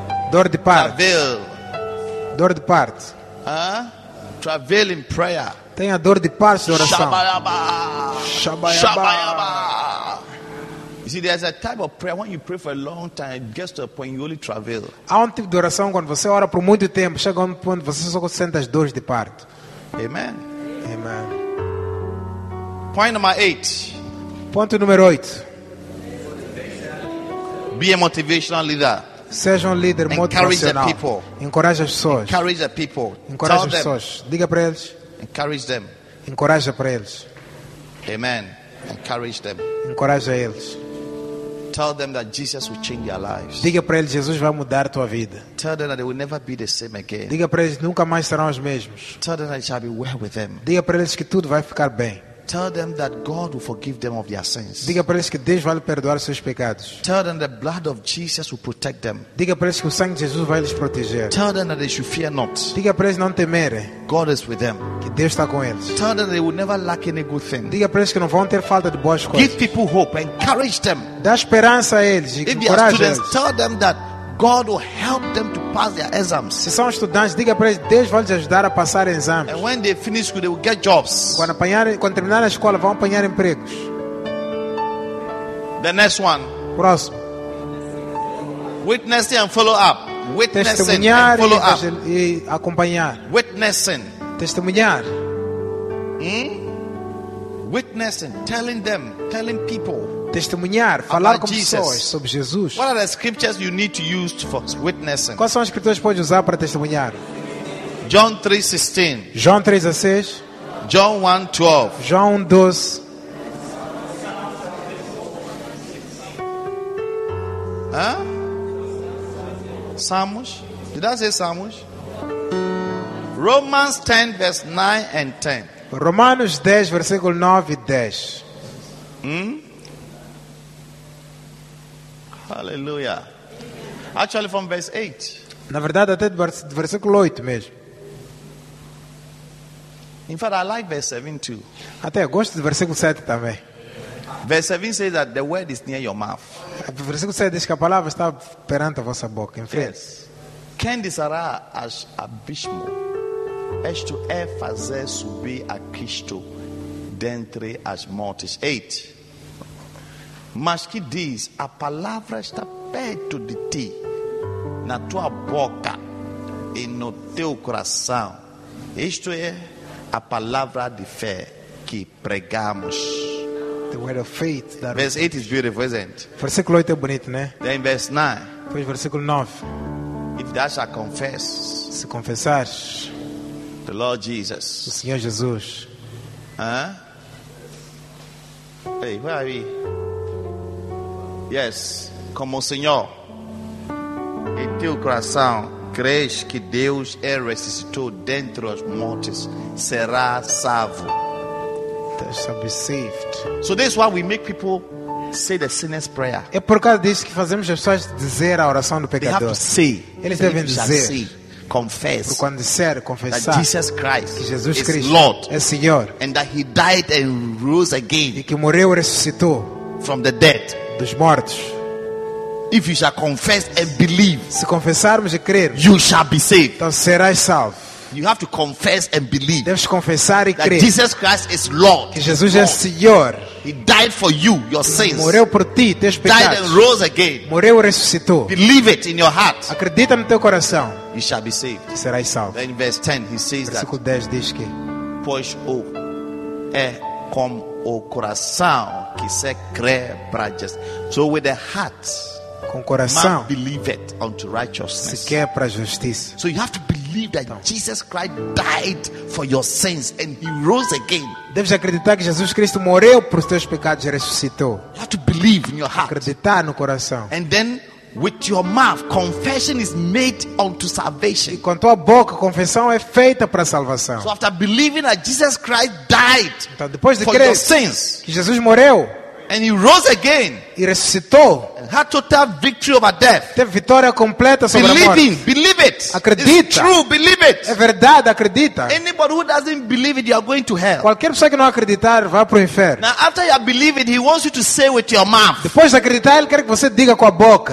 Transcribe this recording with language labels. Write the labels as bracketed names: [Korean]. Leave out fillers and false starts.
[Portuguese] Dor de parto. [English] Travail. [Portuguese] Dor de parto. [English] Travail in prayer. [Portuguese] Tenha dor de parto de oração. Shabayaba. Shabayaba. Shabayaba. [English] You see, there's a type of prayer when you pray for a long time, it gets to a point you only travail. [Portuguese] Há tipo de oração quando você ora por muito tempo, chega a ponto você só sente as dores de parto. [English] Amen. Amen. Point number 8. [Portuguese] Ponto número 8. [English] Be a motivational leader. [Portuguese] Seja líder motivacional. [English] Encourage the people. [Portuguese] Encoraje as pessoas. [English] Encourage the people. [Portuguese] Encoraje as pessoas. Diga para eles. [English] Encourage them. [Portuguese] Encoraje para eles. [English] Amen. Encourage them. [Portuguese] Encoraje eles. [English] Tell them that Jesus will change their lives. [Portuguese] Diga para eles, Jesus vai mudar a tua vida. [English] Tell them that they will never be the same again. [Portuguese] Diga para eles, nunca mais serão os mesmos. [English] Tell them that it shall be well with them. [Portuguese] Diga para eles que tudo vai ficar bem. [English] Tell them that God will forgive them of their sins. [Portuguese] Diga para eles que Deus vai perdoar seus pecados. [English] Tell them the blood of Jesus will protect them. [Portuguese] Diga para eles que o sangue de Jesus vai lhes proteger. [English] Tell them that they should fear not. [Portuguese] Diga para eles não temerem. [English] God is with them. [Portuguese] Que Deus está com eles. [English] Tell them they will never lack any good thing. [Portuguese] Diga para eles que não vão ter falta de boas coisas. [English] Give people hope, encourage them. [Portuguese] Dá esperança a eles, encoraje eles. [English] Tell them that God will help them to pass their exams. [Portuguese] Se são estudantes, diga para eles, Deus vai lhes ajudar a passar exames. [English] And when they finish school, they will get jobs. [Portuguese] Quando terminarem a escola, vão apanhar empregos. [English] The next one. [Portuguese] Próximo. [English] Witnessing and follow up. [Portuguese] Testemunhar e acompanhar. [English] Witnessing. [Portuguese] Testemunhar. [English] witness and telling them, telling people. [Portuguese] Testemunhar, falar com pessoas sobre Jesus. [English] What are the scriptures you need to use for witnessing? [Portuguese] Quais são as escrituras que pode usar para testemunhar? [English] John 3:16. [Portuguese] João 3:16. [English] John 1:12. [Portuguese] João 12. [English] Huh? Salmos? Did I say Salmos? Romans 10, verse 9 and 10. [Portuguese] Romanos 10, versículo 9 e 10. [English] Hallelujah. Actually, from verse 8. [Portuguese] Na verdade, até do versículo 8 mesmo. [English] In fact, I like verse 7 too. [Portuguese] Até eu gosto do versículo 7 também. [English] Verse 7 says that the word is near your mouth. [Portuguese] Versículo 7 diz que a palavra está perante a vossa boca, em frente. Quando será as abismo? Isto é fazer subir a Cristo dentre as mortes. 8. Mas que diz, a palavra está perto de ti, na tua boca e no teu coração. Isto é a palavra de fé que pregamos. [English] The word of faith. That verse 8 is beautiful, isn't it? [Portuguese] Versículo 8 é bonito, né? [English] Then verse 9. [Portuguese] Depois versículo 9. [English] If thou shalt confess. [Portuguese] Se confessares. [English] The Lord Jesus. [Portuguese] O Senhor Jesus. [English] Hey, where are we? Yes. [Portuguese] Como Senhor. Em teu coração, crês que Deus é ressuscitou dentre os mortos, será salvo. [English] They shall be saved. So this is why we make people say the sinner's prayer. [Portuguese] É por causa disso que fazemos as pessoas dizer a oração do pecador. [English] They have to say. [Portuguese] Eles devem dizer. [English] Confess. [Portuguese] Por quando disser, confessar. [English] Jesus Christ. [Portuguese] Que Jesus Cristo [English] is Lord. [Portuguese] É Senhor. [English] And that he died and rose again. [Portuguese] E que morreu e ressuscitou. [English] From the dead. [Portuguese] Dos mortos. [English] If you shall confess and believe. [Portuguese] Se confessarmos e crer. [English] You shall be saved. [Portuguese] Então serás salvo. [English] You have to confess and believe. [Portuguese] Deves confessar e [English] that [Portuguese] crer. [English] Jesus Christ is Lord. [Portuguese] Que Jesus é Senhor. [English] He died for you, your sins. [Portuguese] Morreu por ti, teus pecados. [English] Died and rose again. [Portuguese] Morreu e ressuscitou. [English] Believe it in your heart. [Portuguese] Acredita no teu coração. [English] You shall be saved. [Portuguese] Serás salvo. [English] Then in verse 10 he says [Portuguese] versículo [English] that. [Portuguese] Versículo 10 diz que pois o é com o coração que se crê para justiça. [English] So with the heart. [Portuguese] Com coração. [English] Man believeth unto righteousness. [Portuguese] Se quer para justiça. [English] So you have to believe that Jesus Christ died for your sins and he rose again. [Portuguese] Deves acreditar que Jesus Cristo morreu por os teus pecados e ressuscitou. [English] You have to believe in your heart. [Portuguese] Acreditar no coração. [English] And then with your mouth confession is made unto salvation. [Portuguese] E com tua boca confissão é feita para salvação. [English] So after believing that Jesus Christ died. [Portuguese] Então depois de [English] for [Portuguese] crer [English] your sins, [Portuguese] que Jesus morreu [English] and he rose again. [Portuguese] E ressuscitou. [English] And had total victory over death. [Portuguese] Teve vitória completa sobre [English] believing, [Portuguese] a morte. [English] Believe it. [Portuguese] Acredita. [English] It's true, believe it. [Portuguese] É verdade, acredita. [English] Anybody who doesn't believe it, you are going to hell. [Portuguese] Qualquer pessoa que não acreditar vai para o inferno. [English] Now after you believe it, he wants you to say with your mouth. [Portuguese] Depois de acreditar, ele quer que você diga com a boca.